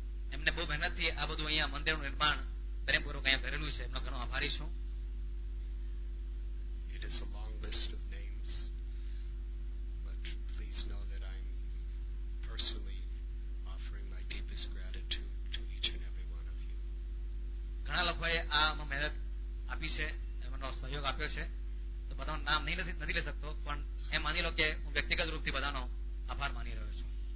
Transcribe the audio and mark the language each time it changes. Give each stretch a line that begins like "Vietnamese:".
Gujarati: એમને બહુ મહેનતથી આ બધું અહીંયા મંદિરનું નિર્માણ પ્રેમપૂર્વક અહીંયા કરેલું છે એમનો ઘણો આભારી છું.
English: It is a long list of names, but please know that I'm personally offering my deepest gratitude to each and every one of you.
Gujarati: ઘણા લોકોએ આ મહેનત આપી છે નો સહયોગ આપ્યો છે તો બધાનું નામ નથી લઈ શકતો પણ એમ માની લો કે હું વ્યક્તિગત રૂપથી બધાનો આભાર માની રહ્યો છું.